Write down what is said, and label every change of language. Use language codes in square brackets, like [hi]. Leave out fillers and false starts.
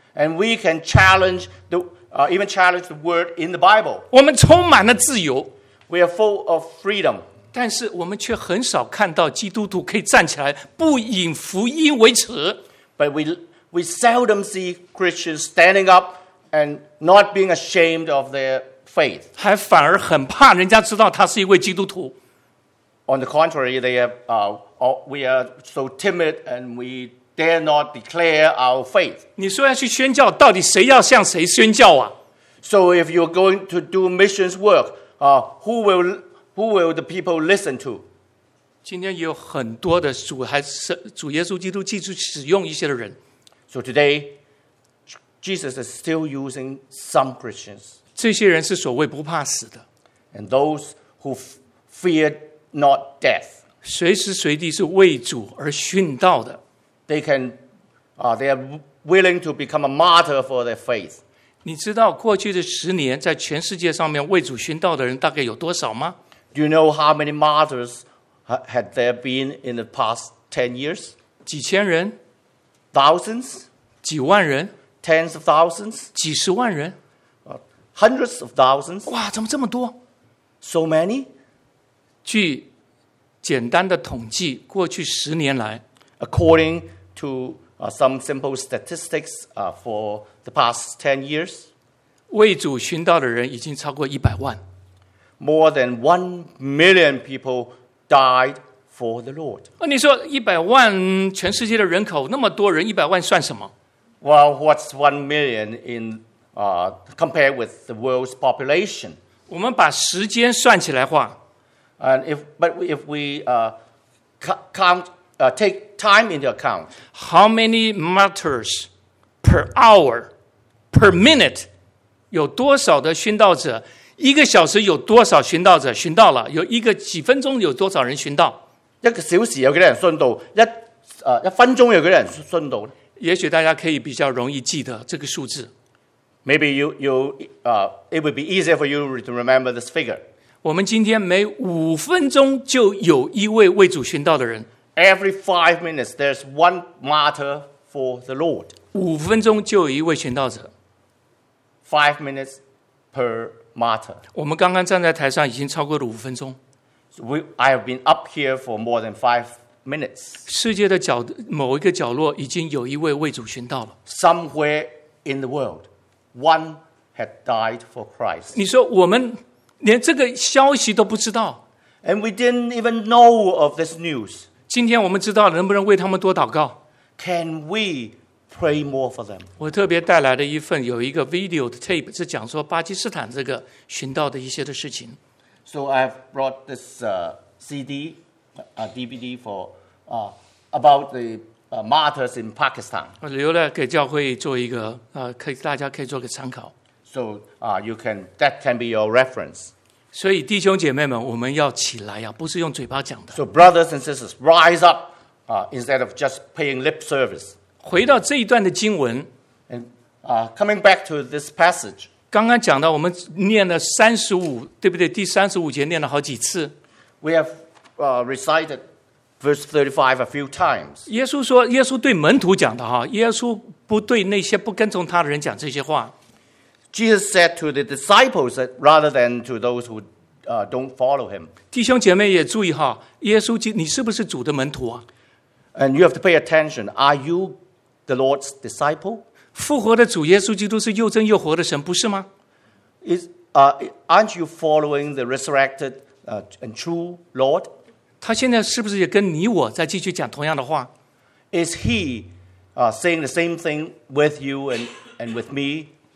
[en] And we can challenge even challenge the word in the Bible. [zh] 我们充满了自由。 [en] We are full of freedom. [zh] 但是我们却很少看到基督徒可以站起来不以福音为耻。 [en] But we seldom see Christians standing up and not being ashamed of their faith. [zh] 还反而很怕人家知道他是一位基督徒。 [en] On the contrary, they have, we are so timid and we dare not declare our faith. [zh] 你说要去宣教，到底谁要向谁宣教啊？ [en] So if you're going to do missions work, Who will the people listen to? [zh] 今天有很多的主耶稣基督继续使用一些的人。 [en] So today, Jesus is still using some Christians. [zh] 这些人是所谓不怕死的。 [en] And those who fear not death. [zh] 随时随地是为主而殉道的。 [en] They are willing to become a martyr for their faith. [zh] 你知道过去的十年在全世界上面为主殉道的人大概有多少吗？ [en] Do you know how many martyrs had there been in the past 10 years? [zh] 几千人？ [en] Thousands? [zh] 几万人？ [en] Tens of thousands? [zh] 几十万人？ [en] Hundreds of thousands? [zh] 哇，怎么这么多？ [en] So many? [zh] 据简单的统计，过去十年来， [en] According to some simple statistics for the past 10 years, [zh] 为主殉道的人已经超过100万。 [en] More than 1 million people died for the Lord. [zh] 你说100万全世界的人口，那么多人100万算什么？ [en] Well, what's 1 million in compared with the world's population? [zh] 我们把时间算起来话， [en] And if we count, take time into account, how many martyrs per hour, per minute? [zh] 有多少的殉道者？一个小时有多少殉道者殉道了？有一个几分钟有多少人殉道？一个小时有几人殉道？一分钟有几人殉道？也许大家可以比较容易记得这个数字。 [en] Maybe it would be easier for you to remember this figure. [zh] 我们今天每五分钟就有一位为主殉道的人。 [en] Every 5 minutes, there's one martyr for the Lord. [zh] 五分钟就有一位殉道者。 [en] 5 minutes per martyr. [zh] 我们刚刚站在台上已经超过了五分钟。 [en] I have been up here for more than 5 minutes. [zh] 世界的某一个角落已经有一位为主殉道了。 [en] Somewhere in the world, one had died for Christ. [zh] 你说我们连这个消息都不知道。 [en] And we didn't even know of this news. [zh] 今天我们知道了，能不能为他们多祷告？ [en] Can we pray more for them? [zh] 我特别带来了一份有一个 video 的 tape， 是讲说巴基斯坦这个寻道的一些的事情。 [en] So I've brought this CD, a DVD for about the martyrs in Pakistan. [zh] 我留了给教会做一个可以大家可以做个参考。 [en] So that can be your reference. [zh] 所以弟兄姐妹们，我们要起来呀，不是用嘴巴讲的。 [en] So brothers and sisters, rise up, instead of just paying lip service. [zh] 回到这一段的经文 [en] ，and coming back to this passage. [zh] 刚刚讲到，我们念了35，对不对？第35节念了好几次。 [en] We have recited verse 35 a few times. [zh] 耶稣说，耶稣对门徒讲的哈，耶稣不对那些不跟从他的人讲这些话。 [en] Jesus said to the disciples that rather than to those who don't follow him. [zh] 弟兄姐妹也注意哈，耶稣，你是不是主的门徒啊？ [en] And you have to pay attention. Are you the Lord's disciple? [zh] 复活的主耶稣基督是又真又活的神，不是吗？ [en] Aren't you following the resurrected and true Lord? [zh] 他现在是不是也跟你我在继续讲同样的话？ [en] Is he saying the same thing with you and with me?